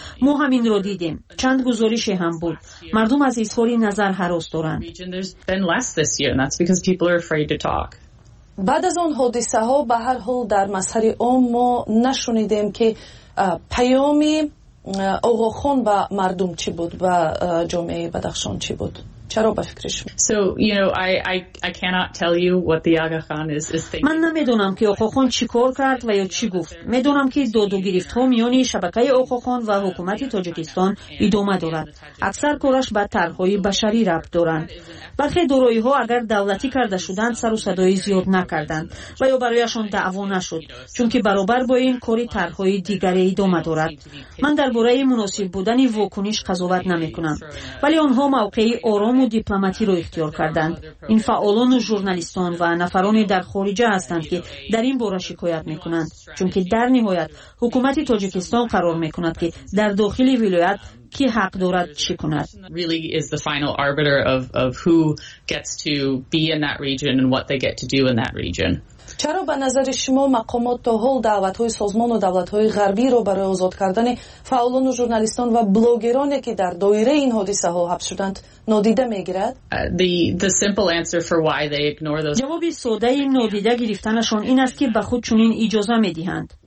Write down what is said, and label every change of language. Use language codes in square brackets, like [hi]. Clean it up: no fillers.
[fa] ما همین را دیدیم. چند گزارش هم بود. مردم از اظهار نظر هراس دارند. بعد از آن حادثه ها به هر حال در مظهر عام ما نشنیدیم که پیام آقاخان به مردم چی بود و جامعه بدخشان چی بود. چرا به فکرش؟ [en] I cannot tell you what the Aga Khan is thinking. [fa] من نمیدونم که آقاخان چی کار کرد و یا چی گفت. میدونم که دادو گرفت ها میان شبکه آقاخان و حکومت تاجیکستان ادامه دارد. اکثر کارش به طرح‌های بشری ربط دارند. برخی دارایی ها اگر دولتی کرده شدند سر و صدای زیاد نکردند و یا برایشان دعوا نشد چون که برابر با این کاری طرح‌های دیگری ادامه دارد. من درباره مناسب بودن واکنش قضاوت نمی‌کنم. ولی آنها موقعی آرام و دیپلماتی را اختیار کردند. این فعالان و ژورنالیستان و نفرانی در خارج هستند که در این باره شکایت میکنند چون که در نهایت حکومت تاجیکستان قرار میکند که در داخل ولایت کی حق دارد چی کند. [en] Really is the final arbiter of who gets to be in that region and what they get to do in that region. [fa] چرا به نظر شما مقامات تا حال دعوت های سازمان و دولت های غربی را برای آزاد کردن فعالان و ژورنالیستان و بلاگرانی که در دایره این حادثه ها حبس شدند نادیده میگیرد؟ جوابی ساده این نادیده گرفتنشان این است که به خود چنین اجازه میدهند.